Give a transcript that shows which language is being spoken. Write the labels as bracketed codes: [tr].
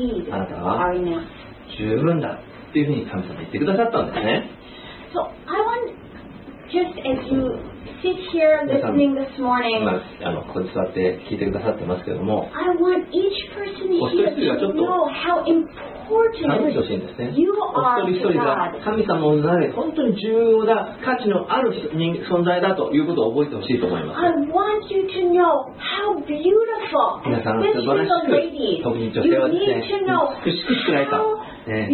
[ja] あなたは十分だというふうに神様が言ってくださったんですね。 [en] So I want just as you sit here listening this morning, [ja] 今ここに座って聞いてくださってますけれども、 [en] I want each person here to know how important you are to God. [ja] 一人一人が神様の名前、本当に重要だ、価値のある人存在だということを覚えてほしいと思います。 [en] I want you to know how beautiful, especially the ladies. You need to know how